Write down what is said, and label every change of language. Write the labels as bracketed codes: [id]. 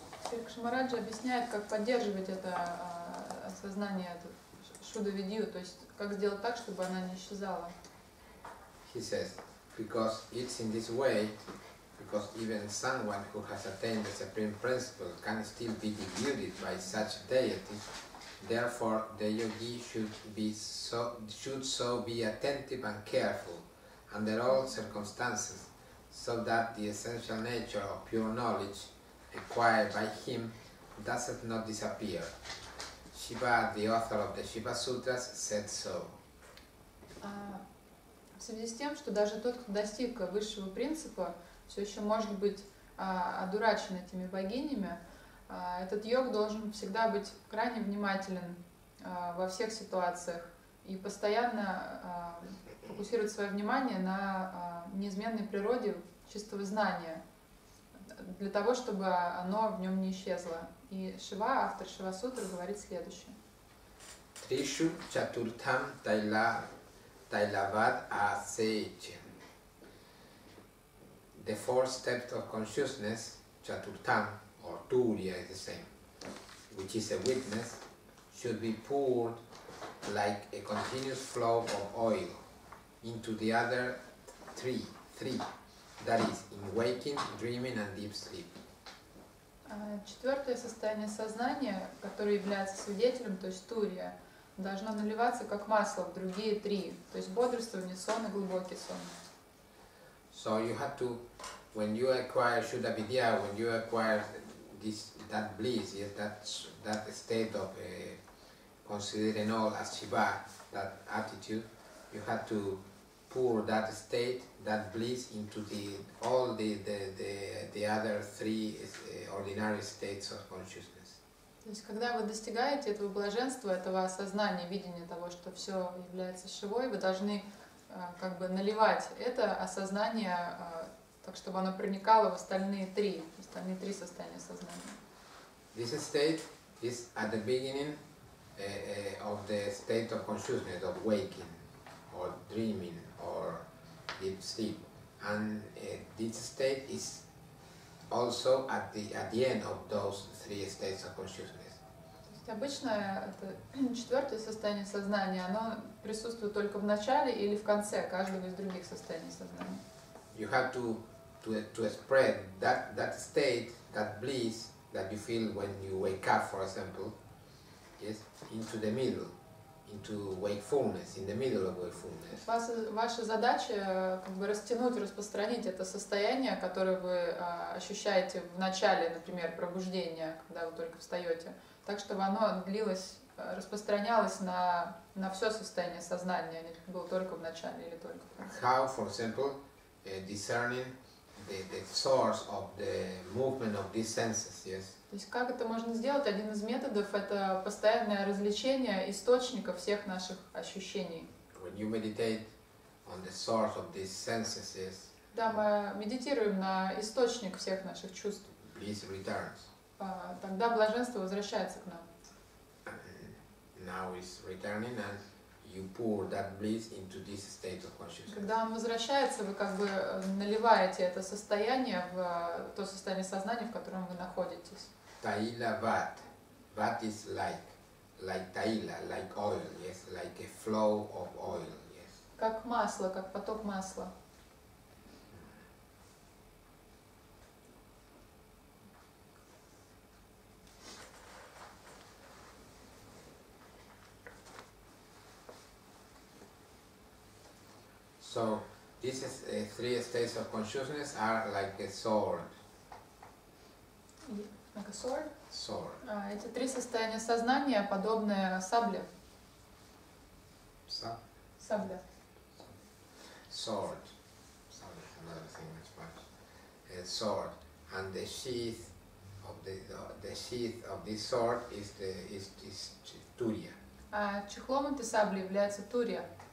[ru] Шри Маараджа объясняет, как поддерживать это осознание, эту Шуддху Видью, то есть как сделать так, чтобы она не исчезала. [en] He says, because it's in this way. Because even someone who has attained the supreme principle can still be deluded by such deities. Therefore, the yogi should so be attentive and careful under all circumstances, so that the essential nature of pure knowledge acquired by him does not disappear. Shiva, the author of the Shiva Sutras, said so. [ru] В связи с тем, что даже тот, кто достиг высшего принципа, все еще может быть одурачен этими богинями, этот йог должен всегда быть крайне внимателен во всех ситуациях и постоянно фокусировать свое внимание на неизменной природе чистого знания, для того, чтобы оно в нем не исчезло. И Шива, автор Шива Сутры, говорит следующее. [sa] Тришу чатуртам тайлават асейчен. [en] The four steps of consciousness, chaturtham, or turiya is the same, which is a witness, should be poured like a continuous flow of oil into the other three, that is, in waking, dreaming, and deep sleep. [ru] Четвертое состояние сознания, которое является свидетелем, то есть турия, должно наливаться как масло в другие три, то есть бодрствование, сон и глубокий сон. [en] So you have to, when you acquire Shuddha Vidya, when you acquire this that bliss, yes, that state of considering all as Shiva, that attitude, you have to pour that state, that bliss, into all the other three ordinary states of consciousness. [ru] То есть когда вы достигаете этого блаженства, этого осознания, видения того, что все является Шивой, вы должны как бы наливать это осознание так, чтобы оно проникало в остальные три состояния сознания. [en] This state is at the beginning of the state of consciousness, of waking, or dreaming, or deep sleep. And this state is also at the end of those three states of consciousness. [ru] То есть обычно это четвертое состояние сознания, оно присутствует только в начале или в конце каждого из других состояний сознания. [en] You have to spread that state, that bliss that you feel when you wake up, for example, yes, into the middle, into wakefulness, in the middle of wakefulness. [ru] Ваша задача как бы растянуть, распространить это состояние, которое вы ощущаете в начале, например, пробуждения, когда вы только встаете, так чтобы оно длилось, распространялось на все состояние сознания, не было только в начале или только в конце. [en] How, for example, discerning the source of the movement of these senses, yes? [ru] То есть как это можно сделать? Один из методов – это постоянное развлечение источника всех наших ощущений. [en] When you meditate on the source of these senses, yes? [ru] Да, мы медитируем на источник всех наших чувств. [en] Bliss returns. [ru] Тогда блаженство возвращается к нам. [en] Now it's returning, and you pour that bliss into this state of consciousness. [ru] вообще. Когда он возвращается, вы как бы наливаете это состояние в то состояние сознания, в котором вы находитесь. [en] Таила ват. Ват is like таила, like oil, yes, like a flow of oil, yes. [ru] Как масло, как поток масла. [en] So these three states of consciousness are like a sword. Like a sword? Sword. [ru] Эти три состояния сознания подобны сабле. Сабля. [en] Sword. Sabre is another thing in Spanish. A sword. And the sheath of the sheath of this sword is turia. [ru] Чехлом этой сабли является турия.